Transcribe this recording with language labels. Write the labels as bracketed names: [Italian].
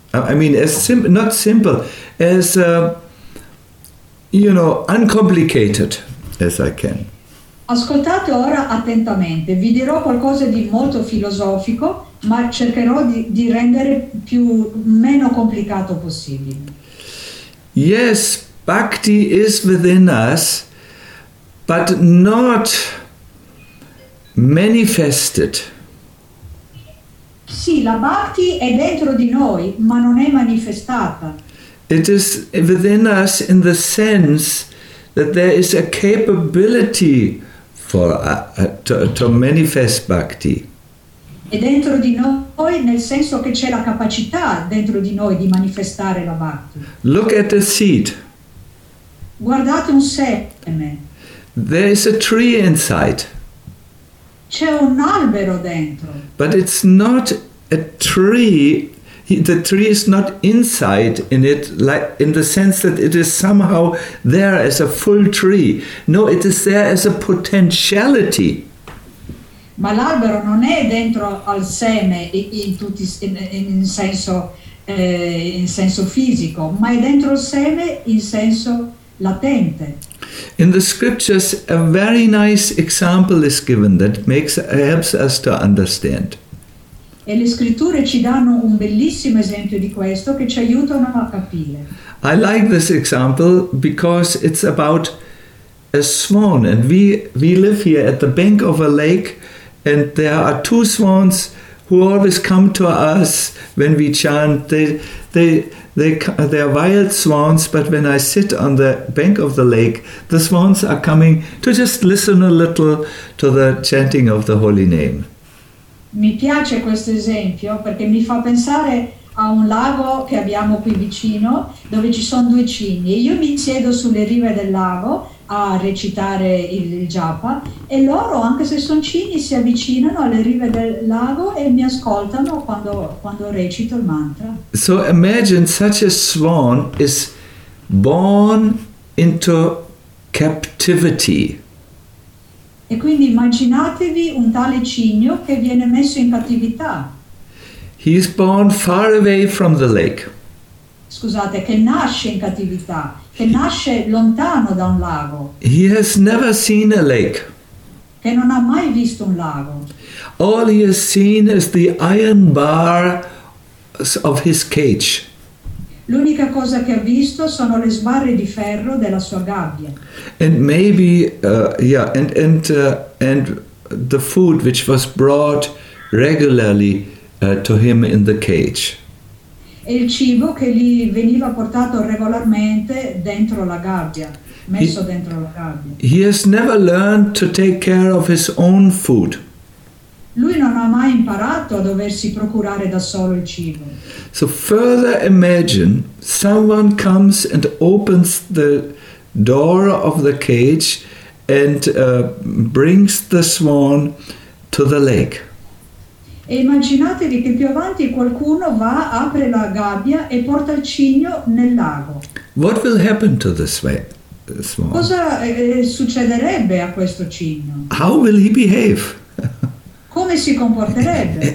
[English] I mean, uncomplicated as I can. [Italian] Ascoltate ora attentamente, vi dirò qualcosa di molto filosofico, ma cercherò di rendere meno complicato possibile. [English] Yes, bhakti is within us, but not manifested. [Italian] Sì, la bhakti è dentro di noi, ma non è manifestata. [English] It is within us in the sense that there is a capability to manifest bhakti. [Italian] È dentro di noi nel senso che c'è la capacità dentro di noi di manifestare la bhakti. [English] Look at the seed. [Italian] Guardate un seme. [English] There is a tree inside. [Italian] C'è un albero dentro. [English] But it's not a tree. The tree is not inside in it, like in the sense that it is somehow there as a full tree. No, it is there as a potentiality. [Italian] Ma l'albero non è dentro al seme in senso in senso fisico, ma è dentro il seme in senso latente. [English] In the scriptures, a very nice example is given that helps us to understand. [Italian] E le scritture ci danno un bellissimo esempio di questo che ci aiutano a capire. [English] I like this example because it's about a swan, and we live here at the bank of a lake, and there are two swans who always come to us when we chant. They are wild swans, but when I sit on the bank of the lake, the swans are coming to just listen a little to the chanting of the holy name. [Italian] Mi piace questo esempio perché mi fa pensare a un lago che abbiamo qui vicino, dove ci sono due cigni. Io mi siedo sulle rive del lago a recitare il japa, e loro, anche se sono cigni, si avvicinano alle rive del lago e mi ascoltano quando recito il mantra. [English] So imagine such a swan is born into captivity. [Italian] E quindi immaginatevi un tale cigno che viene messo in cattività. [English] He is born far away from the lake. [Italian] Scusate, che nasce in cattività, che nasce lontano da un lago. [English] He has never seen a lake. [Italian] Che non ha mai visto un lago. [English] All he has seen is the iron bar of his cage. [Italian] L'unica cosa che ha visto sono le sbarre di ferro della sua gabbia. [English] And maybe and the food which was brought regularly to him in the cage. [Italian] E il cibo che gli veniva portato regolarmente dentro la gabbia, messo dentro la gabbia. [English] He has never learned to take care of his own food. [Italian] Lui non ha mai imparato a doversi procurare da solo il cibo. [English] So further imagine someone comes and opens the door of the cage and brings the swan to the lake. [Italian] E immaginatevi che più avanti qualcuno va, apre la gabbia e porta il cigno nel lago. [English] What will happen to the swan? [Italian] Cosa succederebbe a questo cigno? [English] How will he behave? [Italian] Come si comporterebbe?